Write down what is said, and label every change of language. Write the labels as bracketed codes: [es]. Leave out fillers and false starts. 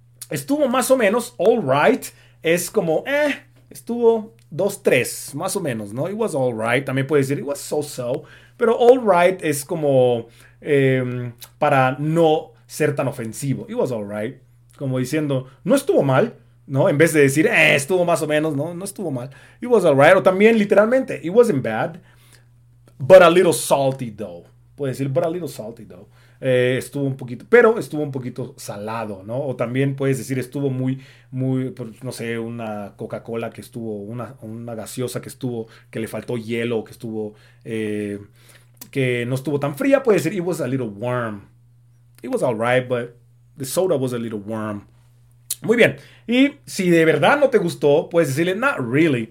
[es] Estuvo más o menos, all right, es como, estuvo 2-3, más o menos, ¿no? [en] It was all right. [es] También puedes decir [en] it was so-so. [es] Pero all right es como para no ser tan ofensivo. [en] It was all right. [es] Como diciendo, no estuvo mal, ¿no? En vez de decir, estuvo más o menos, ¿no? No estuvo mal. [en] It was all right. [es] O también, literalmente, [en] it wasn't bad, but a little salty, though. [es] Puedes decir, [en] but a little salty, though. [es] Estuvo un poquito salado, ¿no? O también puedes decir, estuvo muy, muy, no sé, una Coca-Cola que estuvo, una gaseosa que estuvo, que le faltó hielo, que estuvo, que no estuvo tan fría. Puedes decir, [en] it was a little warm. It was all right, but the soda was a little warm. [es] Muy bien. Y si de verdad no te gustó, puedes decirle, [en] not really.